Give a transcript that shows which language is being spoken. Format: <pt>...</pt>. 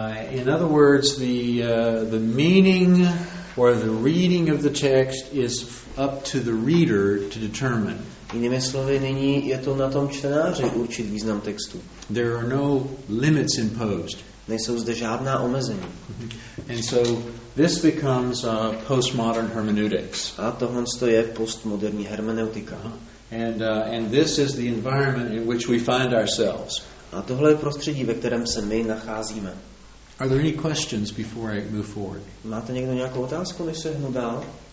<en>In other words, the meaning or the reading of the text is up to the reader to determine.</en> <cs>Jinými slovy, nyní je to na tom čtenáři určit význam textu.</cs> <en>There are no limits imposed.</en> <cs>Nejsou zde žádná omezení.</cs> <en>And so this becomes postmodern hermeneutics.</en> <cs>A tohle je postmoderní hermeneutika.</cs> <en>And this is the environment in which we find ourselves.</en> <cs>A tohle je prostředí, ve kterém se my nacházíme.</cs> <en>Are there any questions before I move forward?</en> <cs>Máte někdo nějakou otázku, než se hnu dál?</cs>